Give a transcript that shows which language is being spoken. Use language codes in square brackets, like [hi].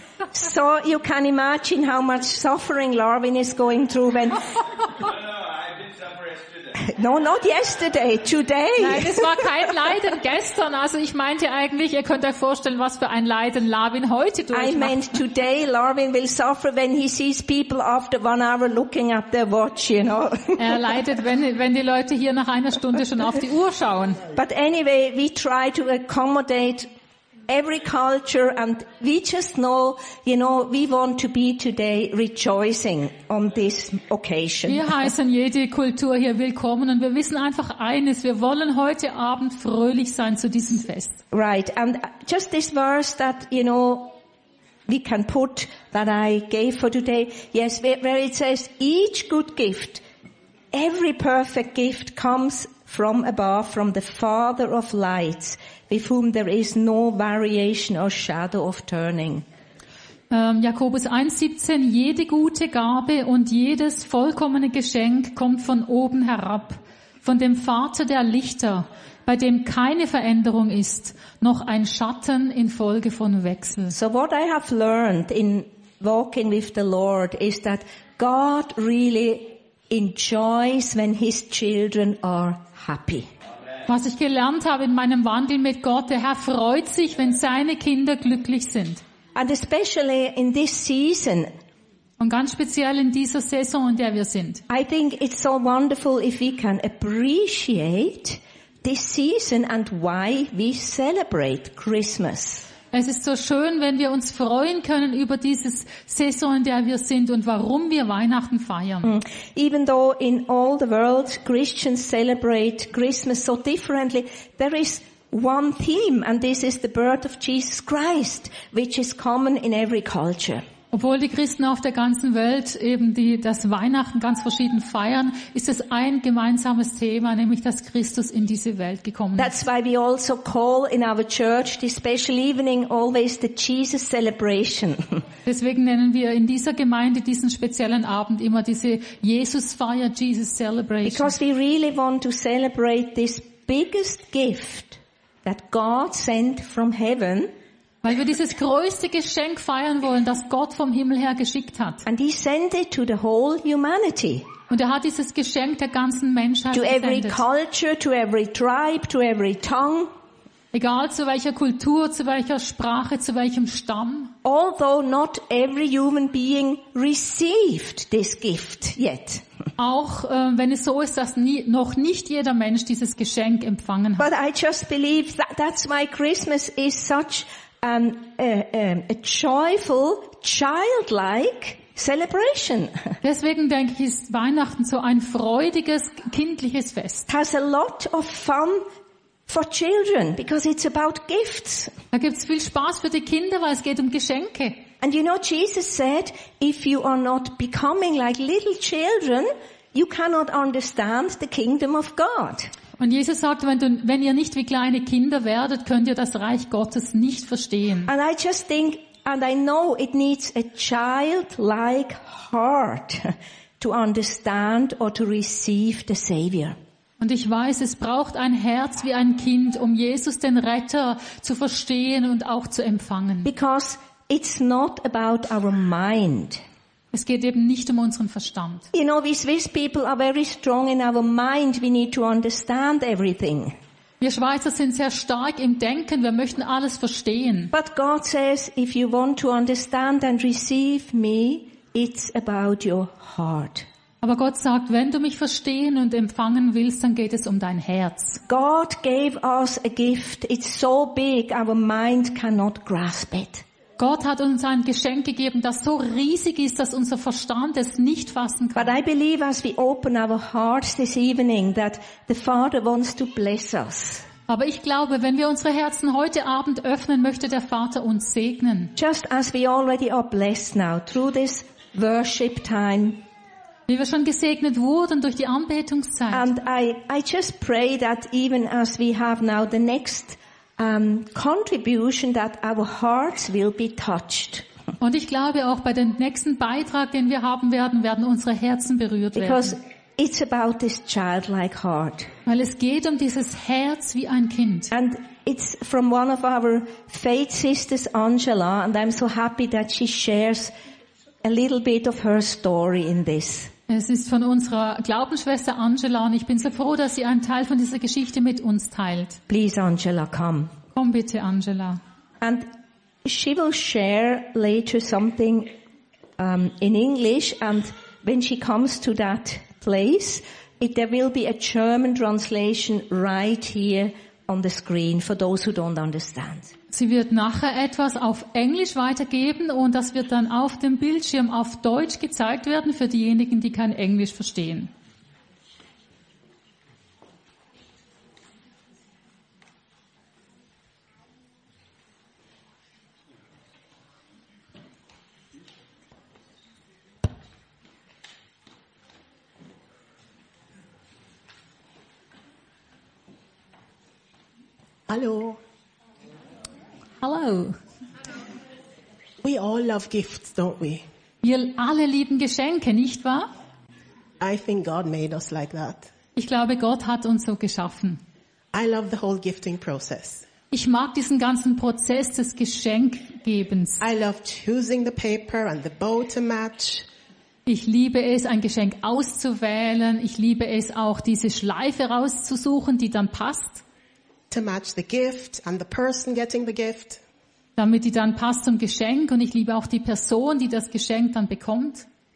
[en] So you can imagine how much suffering Larvin is going through when... No, not yesterday, today. [de] Nein, es war kein Leiden gestern. Also ich meinte eigentlich, ihr könnt euch vorstellen, was für ein Leiden Larvin heute durchmacht. [en] I meant today Larvin will suffer when he sees people after 1 hour looking at their watch, you know. [de] Er leidet, wenn die Leute hier nach einer Stunde schon auf die Uhr schauen. [en] But anyway, we try to accommodate every culture, and we just know, you know, we want to be today rejoicing on this occasion. [de] Wir heißen jede Kultur hier willkommen, und wir wissen einfach eines: Wir wollen heute Abend fröhlich sein zu diesem Fest. [en] Right, and just this verse that you know we can put that I gave for today. Yes, where it says, "Each good gift, every perfect gift, comes from above, from the Father of lights." With whom there is no variation or shadow of turning. [de] Jakobus 1,17, jede gute Gabe und jedes vollkommene Geschenk kommt von oben herab, von dem Vater der Lichter, bei dem keine Veränderung ist, noch ein Schatten infolge von Wechsel. [en] So what I have learned in walking with the Lord is that God really enjoys when his children are happy. [de] Was ich gelernt habe in meinem Wandel mit Gott, der Herr freut sich, wenn seine Kinder glücklich sind. [en] And especially in this season. [de] Und ganz speziell in dieser Saison, in der wir sind. [en] I think it's so wonderful if we can appreciate this season and why we celebrate Christmas. [de] Es ist so schön, wenn wir uns freuen können über dieses Saison, in der wir sind und warum wir Weihnachten feiern. [en] Even though in all the world Christians celebrate Christmas so differently, there is one theme, and this is the birth of Jesus Christ, which is common in every culture. [de] Obwohl die Christen auf der ganzen Welt eben das Weihnachten ganz verschieden feiern, ist es ein gemeinsames Thema, nämlich dass Christus in diese Welt gekommen ist. [en] That's why we also call in our church this special evening always the Jesus celebration. [de] Deswegen nennen wir in dieser Gemeinde diesen speziellen Abend immer diese Jesusfeier, [en] Jesus celebration. Because we really want to celebrate this biggest gift that God sent from heaven. [de] Weil wir dieses größte Geschenk feiern wollen, das Gott vom Himmel her geschickt hat. [en] And he sent it to the whole humanity. [de] Und er hat dieses Geschenk der ganzen Menschheit [en] to [de] gesendet. [en] To every culture, to every tribe, to every tongue. [de] Egal zu welcher Kultur, zu welcher Sprache, zu welchem Stamm. [en] Although not every human being received this gift yet. [de] Auch wenn es so ist, dass noch nicht jeder Mensch dieses Geschenk empfangen hat. [en] But I just believe that that's why Christmas is such a joyful, childlike celebration. [de] Deswegen denke ich, ist Weihnachten so ein freudiges, kindliches Fest. [en] It has a lot of fun for children because it's about gifts. [de] Da gibt's viel Spaß für die Kinder, weil es geht um Geschenke. [en] And you know, Jesus said, if you are not becoming like little children, you cannot understand the kingdom of God. [de] Und Jesus sagte, wenn ihr nicht wie kleine Kinder werdet, könnt ihr das Reich Gottes nicht verstehen. [en] And I just think, and I know it needs a childlike heart to understand or to receive the Savior. [de] Und ich weiß, es braucht ein Herz wie ein Kind, um Jesus den Retter zu verstehen und auch zu empfangen. [en] Because it's not about our mind. [de] Es geht eben nicht um unseren Verstand. [en] You know, we Swiss people are very strong in our mind. We need to understand everything. [de] Wir Schweizer sind sehr stark im Denken. Wir möchten alles verstehen. [en] But God says, if you want to understand and receive me, it's about your heart. [de] Aber Gott sagt, wenn du mich verstehen und empfangen willst, dann geht es um dein Herz. [en] God gave us a gift. It's so big, our mind cannot grasp it. [de] Gott hat uns ein Geschenk gegeben, das so riesig ist, dass unser Verstand es nicht fassen kann. [en] But I believe as we open our hearts this evening that the Father wants to bless us. [de] Aber ich glaube, wenn wir unsere Herzen heute Abend öffnen, möchte der Vater uns segnen. [en] Just as we already are blessed now through this worship time. [de] Wie wir schon gesegnet wurden durch die Anbetungszeit. [en] And I just pray that even as we have now the next contribution, that our hearts will be touched. [de] Und ich glaube auch bei dem nächsten Beitrag, den wir haben werden, werden unsere Herzen berührt werden. [en] Because it's about this childlike heart. [de] Weil es geht um dieses Herz wie ein Kind. [en] And it's from one of our faith sisters, Angela, and I'm so happy that she shares a little bit of her story in this. [de] Es ist von unserer Glaubensschwester Angela und ich bin so froh, dass sie einen Teil von dieser Geschichte mit uns teilt. [en] Please, Angela, come. [de] Komm bitte, Angela. [en] And she will share later something in English. And when she comes to that place, there will be a German translation right here on the screen for those who don't understand. [de] Sie wird nachher etwas auf Englisch weitergeben und das wird dann auf dem Bildschirm auf Deutsch gezeigt werden für diejenigen, die kein Englisch verstehen. Hallo. [en] Hello. We all love gifts, don't we? [de] Wir alle lieben Geschenke, nicht wahr? [en] I think God made us like that. [de] Ich glaube, Gott hat uns so geschaffen. [en] I love the whole gifting process. [de] Ich mag diesen ganzen Prozess des Geschenkgebens. [en] I love choosing the paper and the bow to match. [de] Ich liebe es, ein Geschenk auszuwählen. Ich liebe es auch, diese Schleife rauszusuchen, die dann passt. [en] To match the gift and the person getting the gift. [de] Damit die dann passt zum Geschenk und ich liebe auch die Person, die das Geschenk dann bekommt.